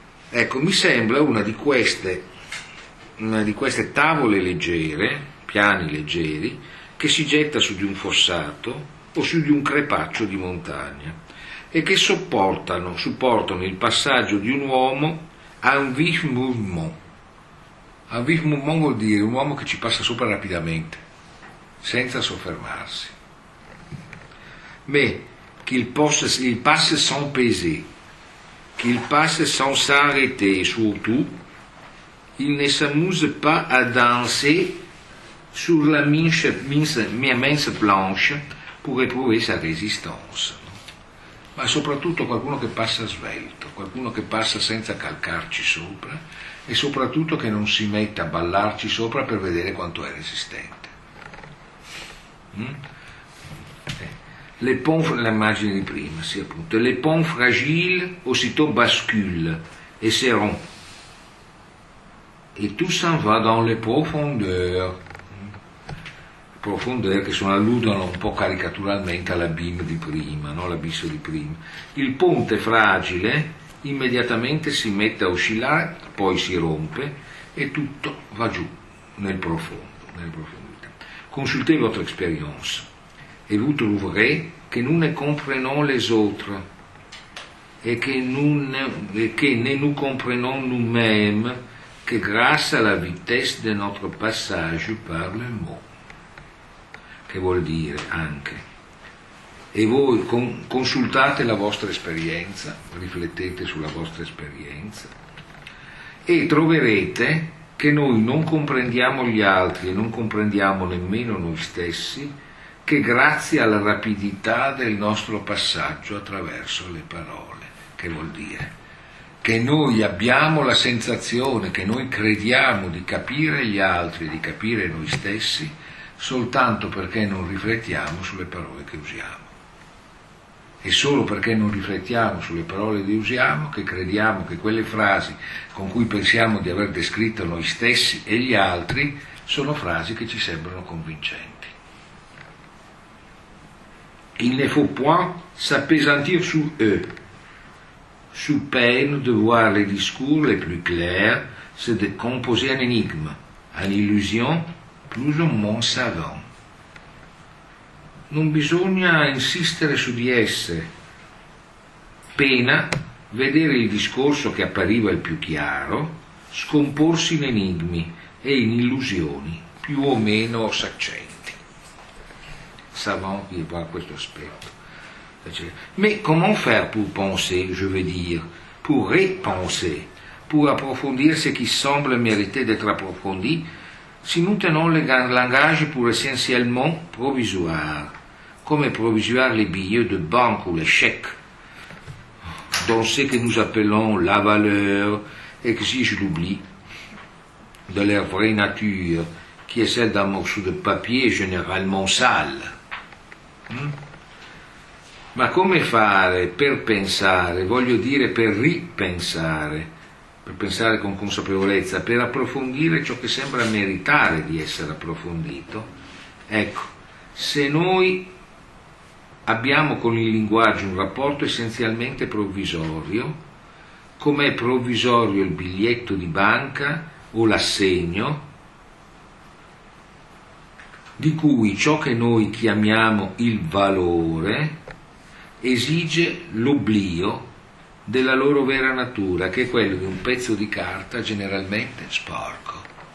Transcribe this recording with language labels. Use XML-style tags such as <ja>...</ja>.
<it>Ecco, mi sembra una di queste tavole leggere, piani leggeri, che si getta su di un fossato o su di un crepaccio di montagna e che supportano il passaggio di un uomo a</it> <fr>un vif mouvement. Un vif mouvement</fr> <it>vuol dire un uomo che ci passa sopra rapidamente, senza soffermarsi.</it> <fr>Mais qu'il passe sans peser, qu'il passe sans s'arrêter, surtout, il ne s'amuse pas à danser sur la mince planche pour éprouver sa résistance.</fr> <it>Ma soprattutto qualcuno che passa svelto, qualcuno che passa senza calcarci sopra e soprattutto che non si mette a ballarci sopra per vedere quanto è resistente.</it> <fr>Le ponts,</fr> <it>l'immagine di prima, sì, appunto,</it> <fr>le ponts fragiles aussitôt basculent et se rompent. Et tout s'en va dans les profondeurs.</fr> <it>Profondeurs che sono alludono un po' caricaturalmente all'abisso di prima, no? L'abisso di prima. Il ponte fragile immediatamente si mette a oscillare, poi si rompe e tutto va giù nel profondo, nella profondità.</it> <fr>Consultez votre expérience. Et vous trouverez que nous ne comprenons les autres et que nous comprenons nous-mêmes que grâce à la vitesse de notre passage par le mot.</fr> <it>Che vuol dire anche? E voi consultate la vostra esperienza, riflettete sulla vostra esperienza e troverete che noi non comprendiamo gli altri e non comprendiamo nemmeno noi stessi che grazie alla rapidità del nostro passaggio attraverso le parole. Che vuol dire? Che noi abbiamo la sensazione, che noi crediamo di capire gli altri, di capire noi stessi, soltanto perché non riflettiamo sulle parole che usiamo. E solo perché non riflettiamo sulle parole che usiamo, che crediamo che quelle frasi con cui pensiamo di aver descritto noi stessi e gli altri, sono frasi che ci sembrano convincenti.</it> <fr>Il ne faut point s'appesantir sur eux, sous peine de voir les discours les plus clairs se décomposer en énigme, en illusion plus ou moins savant.</fr> <it>Non bisogna insistere su di esse, pena vedere il discorso che appariva il più chiaro scomporsi in enigmi e in illusioni più o meno saccenti.</it> <fr>Savant qui voit</fr> <it>questo aspetto.</it> <fr>Mais comment faire pour penser, je veux dire, pour repenser, pour approfondir ce qui semble mériter d'être approfondi, si nous tenons le langage pour essentiellement provisoire, comme provisoire les billets de banque ou les chèques, dans ce que nous appelons la valeur, exige l'oubli de leur vraie nature, qui est celle d'un morceau de papier généralement sale.</fr> <it>Ma come fare per pensare, voglio dire per ripensare, per pensare con consapevolezza, per approfondire ciò che sembra meritare di essere approfondito? Ecco, se noi abbiamo con il linguaggio un rapporto essenzialmente provvisorio, come è provvisorio il biglietto di banca o l'assegno, di cui ciò che noi chiamiamo il valore esige l'oblio della loro vera natura, che è quello di un pezzo di carta generalmente sporco.</it>